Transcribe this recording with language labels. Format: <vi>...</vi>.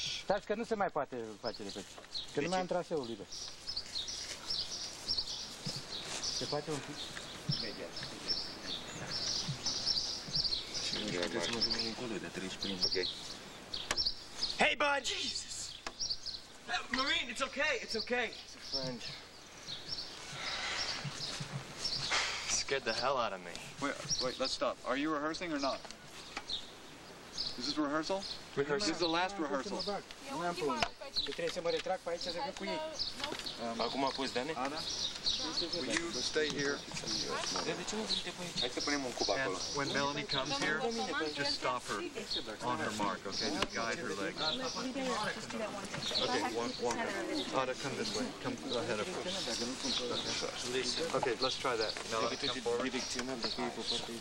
<ro>Stați că nu se mai poate face repet. Că nu mai am traseul liber. Se poate un pic? Imediat. Trebuie să mă duc încolo de 35. Ok.</ro> <en>Hey, bud! Jesus! Maureen, it's okay, it's okay. It's a friend. Scared the hell out of me. Wait, let's stop. Are you rehearsing or not? Is this rehearsal? Rehearsal. This is the last rehearsal.</en> <ro>Lampul. Eu trebuie să mă retrag pe aici să fiu cu ei. Acum a pus Dani?</ro> <en>Ana? Will you stay here?</en> <ro>De ce nu vrei de pe aici? Hai să punem un cub acolo.</ro> <en>When Melanie comes here, just stop her on her mark, okay? Just guide her leg. Okay, walk her. Ana, come this way. Come ahead of us. Okay, let's try that. No, come forward.</en>